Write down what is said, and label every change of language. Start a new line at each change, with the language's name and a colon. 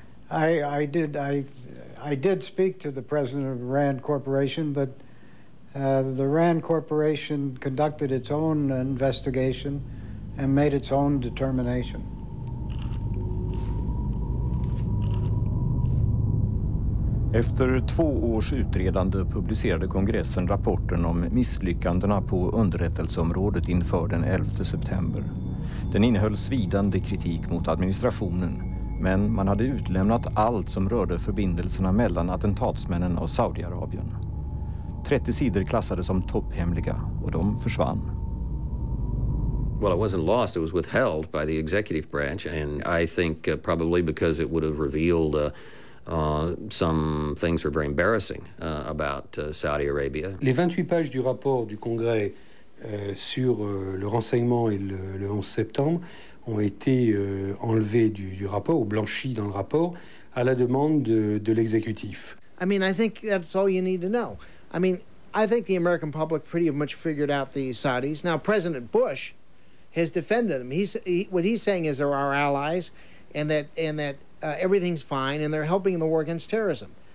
English: I did speak to the president of Rand Corporation, but the Rand Corporation conducted its own investigation and made its own determination.
Swedish: Efter två års utredande publicerade kongressen rapporten om misslyckandena på underrättelseområdet inför den 11 september. Den innehöll svidande kritik mot administrationen, men man hade utlämnat allt som rörde förbindelserna mellan attentatsmännen och Saudiarabien. 30 sidor klassades som topphemliga och de försvann.
English: Well, it wasn't lost, it was withheld by the executive branch, and I think probably because it would have revealed some things were very embarrassing about Saudi Arabia.
French: Les 28 pages du rapport du Congrès sur le renseignement et le 11 septembre ont été enlevées du rapport ou blanchies dans le rapport à la demande de l'exécutif.
English: I mean, I think that's all you need to know. I mean, I think the American public pretty much figured out the Saudis. Now, President Bush has defended them. What he's saying is they're our allies, and that everything's fine, and they're helping in the war against terrorism.